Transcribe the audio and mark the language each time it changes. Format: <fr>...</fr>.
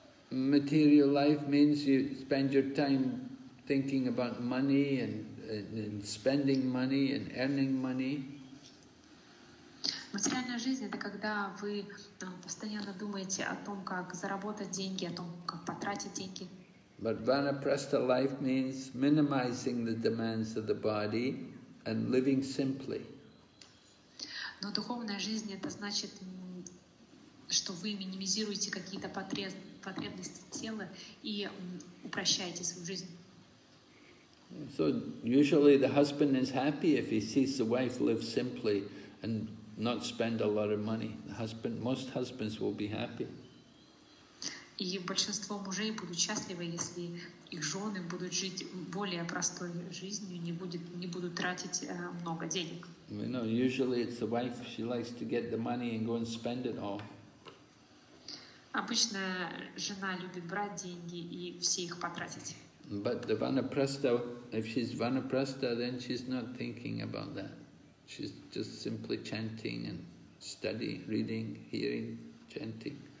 <en>Material life means you spend your time thinking about money and spending money and earning money.</en> <ru>Материальная жизнь – это когда вы постоянно думаете о том, как заработать деньги, о том, как потратить деньги.</ru> <en>But vanaprastha life means minimizing the demands of the body and living simply.</en> <ru>Но духовная жизнь это значит, что вы минимизируете какие-то потребности тела и упрощаете свою жизнь.</ru> <en>So usually the husband is happy if he sees the wife live simply and not spend a lot of money. Most husbands will be happy.</en> <ru>И большинство мужей будут счастливы, если их жены будут жить более простой жизнью, не будут тратить много денег.</ru> <en>You know, usually it's the wife, she likes to get the money and go and spend it all.</en> <ru>Обычно жена любит брать деньги и все их потратить.</ru> <en>But the vanaprastha, if she's vanaprastha, then she's not thinking about that. She's just simply chanting and studying, reading, hearing, chanting.</en>